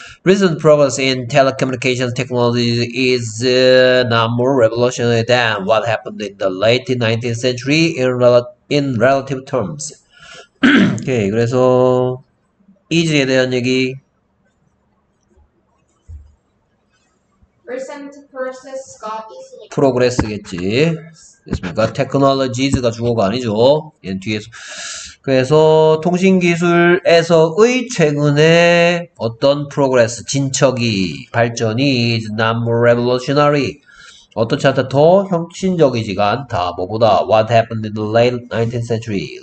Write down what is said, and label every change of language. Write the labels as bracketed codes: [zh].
[en] Recent progress in telecommunications technology is not more revolutionary than what happened in the late 19th century in relative terms. [ko] 오케이. 그래서 is에 대한 얘기. Recent process got easily progress겠지. 됐습니까? technologies가 주어가 아니죠. 얘는 뒤에서. 그래서 통신기술에서의 최근에 어떤 프로그레스, 진척이, 발전이 [en] is not more revolutionary. [ko] 어떻지 않다 더 혁신적이지가 않다. 뭐보다 [en] what happened in the late 19th century.